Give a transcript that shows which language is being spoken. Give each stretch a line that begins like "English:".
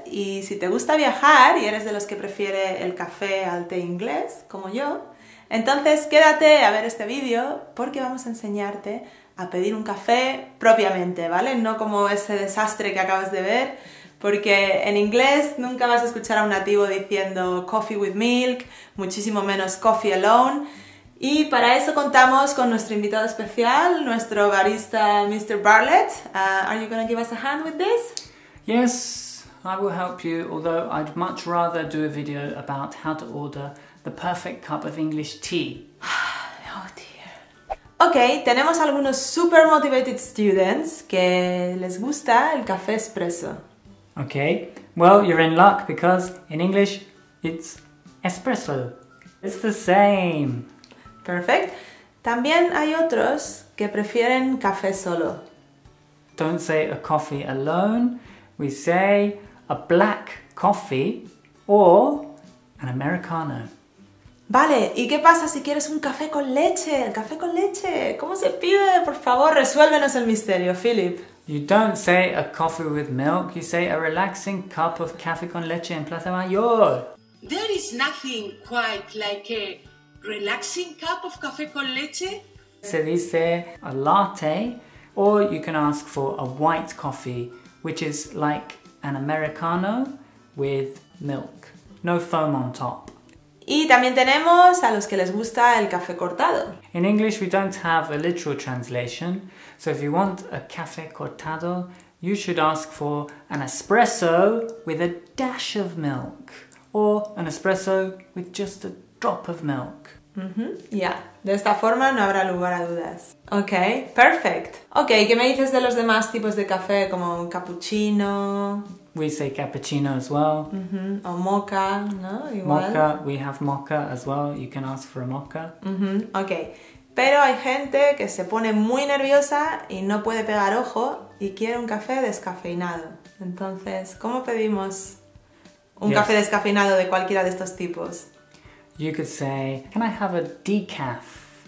Spanish: Y si te gusta viajar y eres de los que prefiere el café al té inglés, como yo, entonces quédate a ver este vídeo porque vamos a enseñarte a pedir un café propiamente, ¿vale? No como ese desastre que acabas de ver, porque en inglés nunca vas a escuchar a un nativo diciendo coffee with milk, muchísimo menos coffee alone. Y para eso contamos con nuestro invitado especial, nuestro barista Mr. Bartlett.
English: Are you going to give us a hand with this? Yes, I will help you, although I'd much rather do a video about how to order the perfect cup of English tea. Oh dear.
Spanish: Okay, tenemos algunos
English: super motivated students
Spanish: que les gusta el café espresso.
English: Okay, well, you're in luck because in English it's espresso. It's the same. Perfect.
Spanish: También hay otros que prefieren café solo.
English: Don't say a coffee alone. We say a black coffee or an Americano.
Spanish: Vale, ¿y qué pasa si quieres un café con leche? ¿Café con leche? ¿Cómo se pide? Por favor, resuélvenos el misterio, Philip.
English: You don't say a coffee with milk, you say a relaxing cup of
Spanish: café con leche en Plaza Mayor.
English: There is nothing quite like a relaxing cup of café con leche.
Spanish: Se dice
English: a latte, or you can ask for a white coffee, which is like an Americano with milk. No foam on top.
Spanish: Y también tenemos a los que les gusta el café cortado.
English: In English we don't have a literal translation, so if you want a café cortado, you should ask for an espresso with a dash of milk, or an espresso with just a drop of milk.
Spanish: Yeah, de esta forma no habrá lugar a dudas.
English: Okay, perfect.
Spanish: Okay, ¿qué me dices de los demás tipos de café, como un cappuccino?
English: We say cappuccino as well. Mm-hmm. Or mocha,
Spanish: no? Igual.
English: Mocha, we have mocha as well. You can ask for a mocha. Mm-hmm.
Spanish: Okay, pero hay gente que se pone muy nerviosa y no puede pegar ojo y quiere un café descafeinado. Entonces, ¿cómo pedimos un café descafeinado de cualquiera de estos tipos?
English: You could say, can I have a decaf?